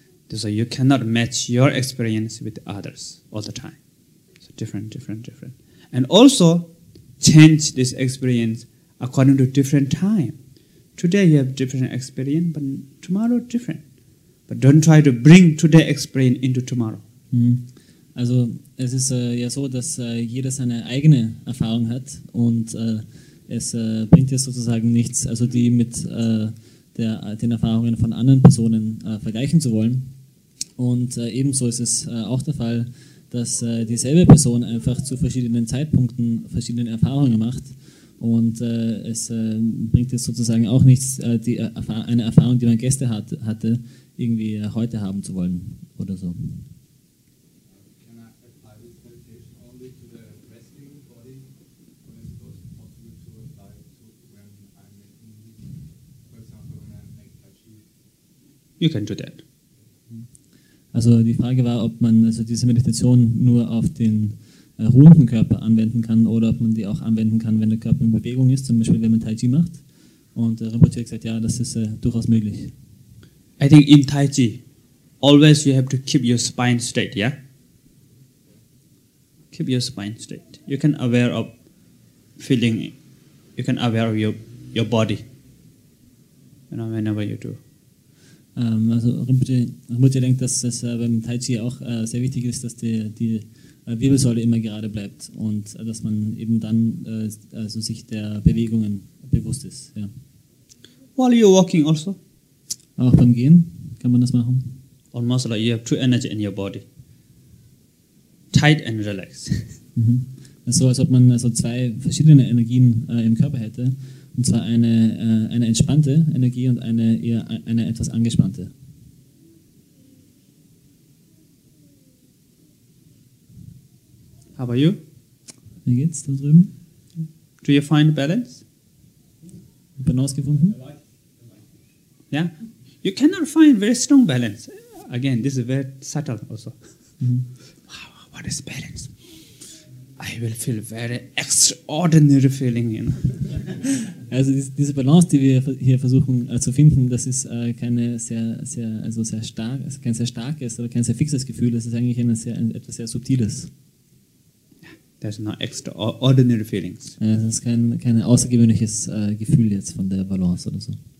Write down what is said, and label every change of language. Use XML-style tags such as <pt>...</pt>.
<en>So you cannot match your experience with others all the time. So different. And also change this experience according to different time. Today you have different experience, but tomorrow different. But don't try to bring today's experience into tomorrow.</en> <de>Also es ist ja so, dass jeder seine eigene Erfahrung hat und es bringt ja sozusagen nichts, also die mit den Erfahrungen von anderen Personen vergleichen zu wollen. Und ebenso ist es auch der Fall, dass dieselbe Person einfach zu verschiedenen Zeitpunkten verschiedene Erfahrungen macht. Und es bringt jetzt sozusagen auch nichts, eine Erfahrung, die man gestern hatte, irgendwie heute haben zu wollen oder so.</de> <en>Can I apply this meditation only to the resting body when it's possible to apply it to when I'm making meditation? For example, when I make touching? You can do that.</en> <de>Also die Frage war, ob man also diese Meditation nur auf den ruhenden Körper anwenden kann oder ob man die auch anwenden kann, wenn der Körper in Bewegung ist, zum Beispiel wenn man Tai Chi macht. Und Rinpoche hat gesagt, ja, das ist durchaus möglich.</de> <en>I think in Tai Chi, always you have to keep your spine straight, yeah? Keep your spine straight. You can aware of feeling, you can aware of your body, you know, whenever you do.</en> <de>Also Rinpoche denkt, dass es beim Tai Chi auch sehr wichtig ist, dass die Wirbelsäule immer gerade bleibt und dass man eben dann also sich der Bewegungen bewusst ist. Ja.</de> <en>While you're walking also?</en> <de>Auch beim Gehen kann man das machen.</de> <en>Almost like you have two energy in your body. Tight and relaxed. Mhm.</en> <de>So als ob man also zwei verschiedene Energien im Körper hätte. Und zwar eine entspannte Energie und eine etwas angespannte.</de> <en>How about you?</en> <de>Wie geht's da drüben?</de> <en>Do you find balance?</en> <de>Balance gefunden?</de> <en>Yeah? You cannot find very strong balance. Again, this is very subtle also. Mm-hmm. Wow, what is balance? I will feel very extraordinary feeling, you know.</en> <de>Also diese Balance, die wir hier versuchen zu finden, das ist keine sehr, sehr, also sehr stark, also kein sehr starkes oder kein sehr fixes Gefühl, das ist eigentlich etwas sehr Subtiles.</de> <en>There's no extraordinary feelings.</en> <de>Es ist kein außergewöhnliches Gefühl jetzt von der Balance oder so.</de>